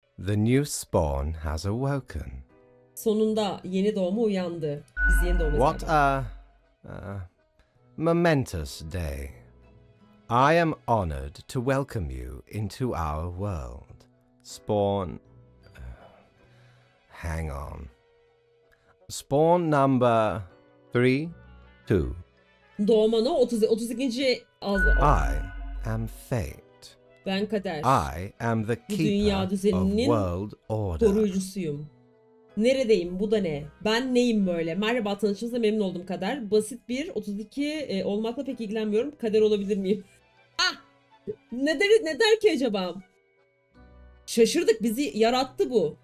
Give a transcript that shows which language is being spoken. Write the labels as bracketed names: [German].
[English] The new spawn has awoken. [Turkish] Sonunda yeni doğumu uyandı. Biz yeni doğumuz. [English] What a momentous day. I am honored to welcome you into our world. Spawn. Hang on. Spawn number 3-2. [Turkish] Doğma ne? 32. Az. [English] I am fate. [Turkish] Ben kader. [English] I am the keeper of world order. [Turkish] Koruyucusuyum. Neredeyim? Bu da ne? Ben neyim böyle? Merhaba, tanıştığınızda memnun oldum kader. Basit bir 32 olmakla pek ilgilenmiyorum. Kader olabilir miyim? Ah! Ne der ki acaba? Şaşırdık, bizi yarattı bu.